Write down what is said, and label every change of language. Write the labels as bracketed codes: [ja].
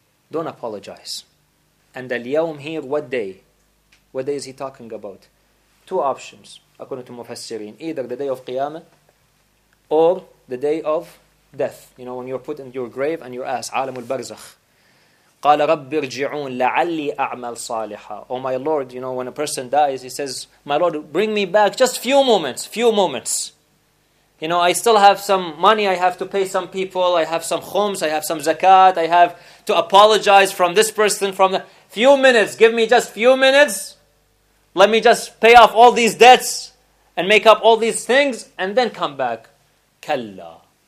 [en] Don't apologize. And al-yawm here, what day? What day is he talking about? Two options, according to Mufassirin. Either the day of Qiyamah, or the day of death. You know, when you're put in your grave and you're asked, عالم البرزخ. [ar] قال رب ارجعون لعلي أعمل صالحا. [en] Oh my Lord, you know, when a person dies, he says, my Lord, bring me back just few moments. You know, I still have some money, I have to pay some people, I have some khums, I have some zakat, I have to apologize from this person, from the few minutes, give me just few minutes, let me just pay off all these debts and make up all these things and then come back. Kalla.